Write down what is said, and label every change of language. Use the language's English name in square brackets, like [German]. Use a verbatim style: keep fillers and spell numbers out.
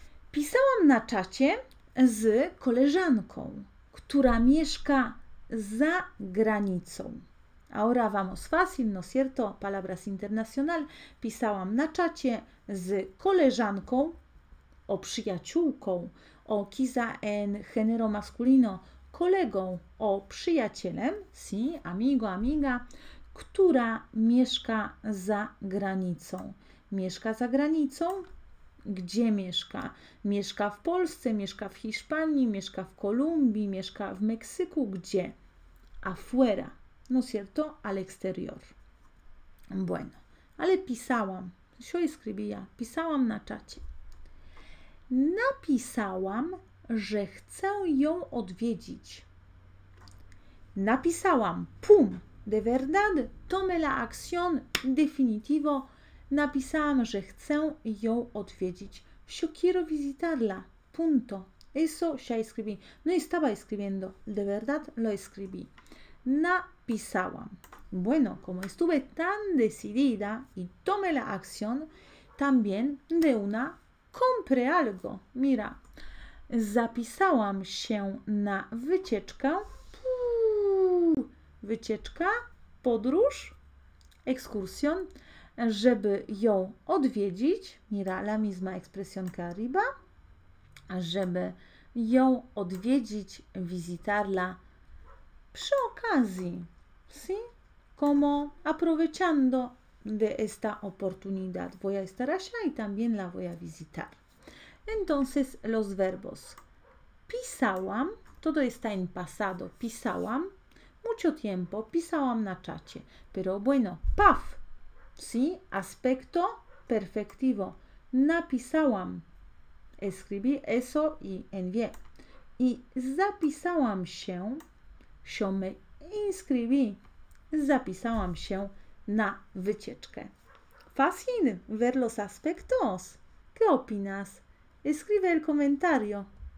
[Polish] Pisałam na czacie z koleżanką, która mieszka za granicą. [Spanish] Ahora vamos fácil, ¿no es cierto? Palabras internacional. [Polish] Pisałam na czacie z koleżanką o przyjaciółką, [Spanish] o quizá en género masculino [Polish] kolegą, o przyjacielem, [Spanish] sí, amigo, amiga, [Polish] która mieszka za granicą. Mieszka za granicą? Gdzie mieszka? Mieszka w Polsce, mieszka w Hiszpanii, mieszka w Kolumbii, mieszka w Meksyku. Gdzie? [Spanish] Afuera, ¿no es cierto? Al exterior. [Polish] Bueno, ale pisałam. [Spanish] Yo escribía. [Polish] Pisałam na czacie. Napisałam, że chcę ją odwiedzić. Napisałam. Pum. [Spanish] De verdad, tomé la acción definitivo. [Polish] Napisałam, że chcę ją odwiedzić. [Spanish] Yo quiero visitarla. Punto. Eso ya escribí. No estaba escribiendo. De verdad lo escribí. [Polish] Napisałam. [Spanish] Bueno, como estuve tan decidida y tomé la acción, también de una compré algo. [Polish] Mira, zapisałam się na wycieczkę. Puu, wycieczka, podróż, excursión. Żeby ją odwiedzić, [Spanish] mira, la misma expresión que arriba, [Polish] żeby ją odwiedzić, [Spanish] visitarla, [Polish] przy okazji, [Spanish] ¿sí? Como aprovechando de esta oportunidad. Voy a estar allá y también la voy a visitar. Entonces, los verbos. Pisałam, todo está en pasado, pisałam, mucho tiempo, [Polish] pisałam na czacie, [Spanish] pero bueno, paf. Sí, aspecto perfectivo. [Polish] Napisałam. [Spanish] Escribí eso y envié. [Polish] I zapisałam się. [Spanish] Yo me inscribí. [Polish] Zapisałam się na wycieczkę. [Spanish] Fácil ver los aspectos. ¿Qué opinas? Escribe el comentario.